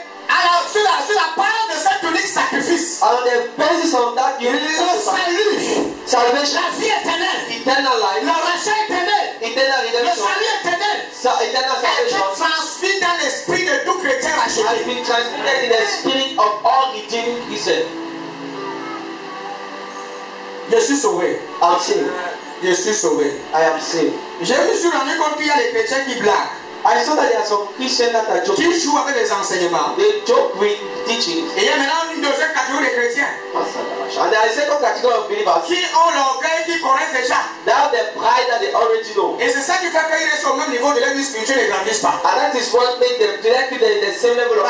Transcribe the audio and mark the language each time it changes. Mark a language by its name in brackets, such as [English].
[French] Alors, sur la parole de cet unique sacrifice. [English] On the basis of that unique sacrifice. Salvation. [French] La vie éternelle. [English] Eternal life. [French] Le rachat éternel. [English] Eternal redemption. [French] Le salut éternel. [English] Eternal salvation. [French] Et transmis dans l'esprit de tout chrétien racheté. [English] Has been transmitted in the spirit of all redeemed Christians. [French] Je suis sauvé. [English] I'm saved. [French] Je suis sauvé. [English] I am saved. [French] J'ai vu sur la même compte qu'il y a des chrétiens qui blaguent. [English] I saw that there are some Christians that are joking. [French] Qui jouent avec les enseignements. [English] They joke with teaching. [French] Et il y a maintenant une deuxième catégorie de chrétiens. [English] And there is a second category of believers. [French] Qui ont l'orgueil, qui connaissent déjà. [English] They have the pride that they already know. [French] Et c'est ça qui fait qu'ils restent au même niveau de leur vie spirituelle et ne grandissent pas. [English] And that is what makes them directly in the same level of